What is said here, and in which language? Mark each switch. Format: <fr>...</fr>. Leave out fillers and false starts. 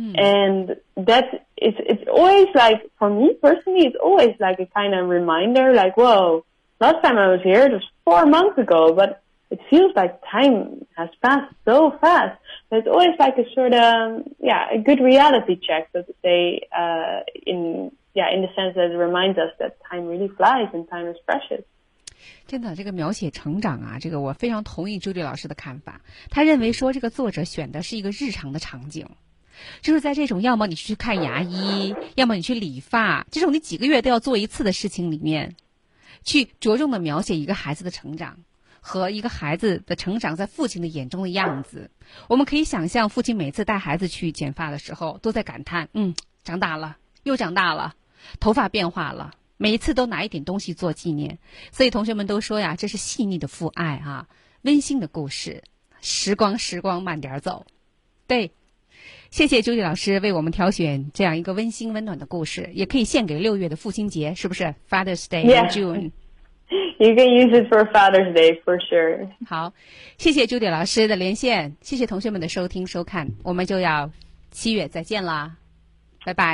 <en>And that it's always like, for me personally, it's always like a kind of reminder like, whoa,Last time I was here, it was 4 months ago, but it feels like time has passed so fast. But it's always like a sort of, a good reality check, so to say, in the sense that it reminds us that time really flies and time is precious.</en> <zh>真的，这个描写成长啊，这个我非常同意朱迪老师的看法。他认为说这个作者选的是一个日常的场景。就是在这种要么你去看牙医，要么你去理发，这种你几个月都要做一次的事情里面。去着重的描写一个孩子的成长和一个孩子的成长在父亲的眼中的样子我们可以想象父亲每次带孩子去剪发的时候都在感叹长大了又长大了头发变化了每一次都拿一点东西做纪念。所以同学们都说呀，这是细腻的父爱啊，温馨的故事。时光时光慢点走。对，谢谢朱迪老师为我们挑选这样一个温馨温暖的故事，也可以献给六月的父亲节，是不是</zh> <en>Father's Day in June。 You can use it for Father's Day for sure.</en> <zh>好，谢谢朱迪老师的连线，谢谢同学们的收听收看，我们就要七月再见啦，拜拜。</zh>